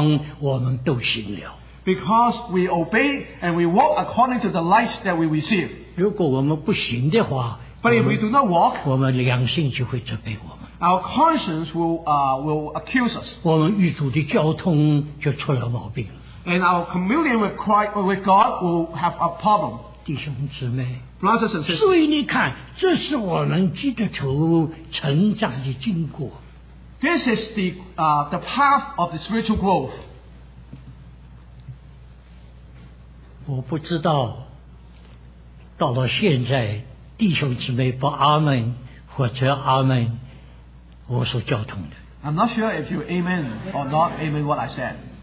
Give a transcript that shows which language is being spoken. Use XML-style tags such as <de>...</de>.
<zh>因为我们照着我们所领受的光，我们都行了。</zh> <en>Because we obey and we walk according to the light that we receive.</en> <zh>如果我们不行的话，</zh> <en>But if we do not walk,</en> <zh>我们良心就会责备我们。</zh> <en>Our conscience will accuse us.</en> <zh>我们与主的交通就出了毛病。</zh> <en>And our communion with Christ or with God will have a problem.</en> <zh>弟兄姊妹，</zh> <en>Brothers and sisters,</en> <zh>所以你看， 这是我们基督徒成长的经过。</zh> <en>This is the path of the spiritual growth.</en> <zh>我不知道， 到了现在， 弟兄姊妹不阿们， 或者阿们， 我所交通的。</zh> <en>I'm not sure if you amen or not amen what I said.</en>